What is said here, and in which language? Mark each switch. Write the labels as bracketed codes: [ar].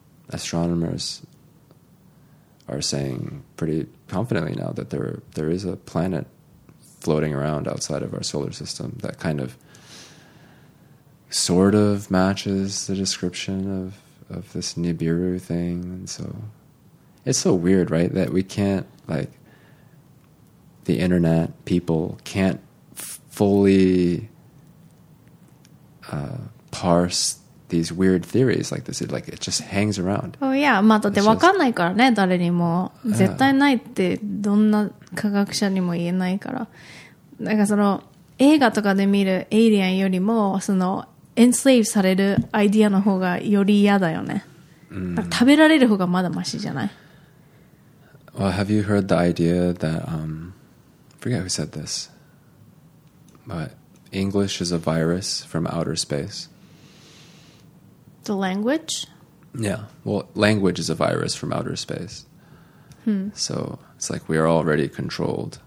[en] astronomers are saying pretty confidently now that there is a planet floating around outside of our solar system that kind of sort of matches the description of this Nibiru thing. And so it's so weird, right? That we can't, like, the internet people can't fully parse these weird theories like this. It, like, it just hangs around. Oh, yeah. [ja] まあ、だって分かんないからね、誰にも。絶対ないって、どんな科学者にも言えないから。なんかその、映画とかで見るエイリアンよりも、その、エンスレイブされるアイディアの方がより嫌だよね。食べられる方がまだマシじゃない。 [en] Well, have you heard the idea that, forget who said this, but English is a virus from outer space? The language? Yeah. Well, language is a virus from outer space. So it's like we are already controlled.